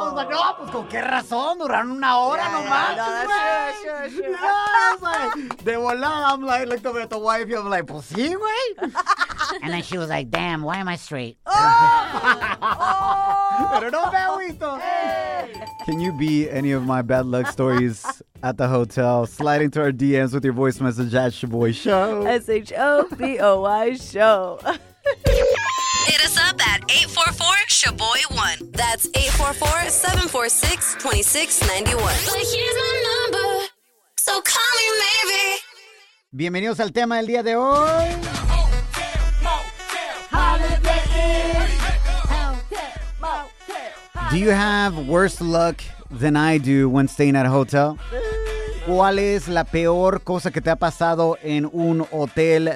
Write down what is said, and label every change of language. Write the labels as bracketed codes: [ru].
[es] No, pues con qué razón, duraron una hora nomás. [en] Yeah, no, that's true. I was like, [es] de volada, [en] I'm like, looked over at the wife, I'm like, [es] pues sí, güey. [en] And then she was like, damn, why am I straight? Oh! [es] Pero no me agüito. [en] Can you be any of my bad luck stories at the hotel? Slide into our DMs with your voice message at Shaboy Show. Shaboy Show. Hit us up at 844-SHABOY1. That's 844-746-2691. But here's my number, so call me maybe. [es] Bienvenidos al tema del día de hoy. [en] Do you have worse luck than I do when staying at a hotel? [es] ¿Cuál es la peor cosa que te ha pasado en un hotel?